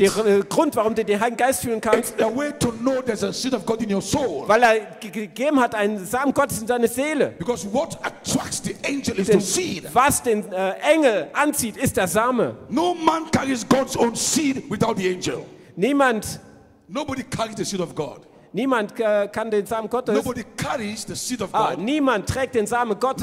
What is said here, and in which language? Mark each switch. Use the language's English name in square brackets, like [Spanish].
[German] der Grund, warum du den Heiligen Geist fühlen kannst, [English] it's a way to know there's a seed of God in your soul, [German] weil er gegeben hat einen Samen Gottes in deine Seele. [English] Because what attracts the angel is the seed. [German] Was den Engel anzieht, ist der Same. [English] No man carries God's own seed without the angel. [German] Niemand. [English] Nobody carries the seed of God. [German] Niemand kann den Samen Gottes. [English] Nobody carries the seed of God. [German] Niemand trägt den Samen Gottes.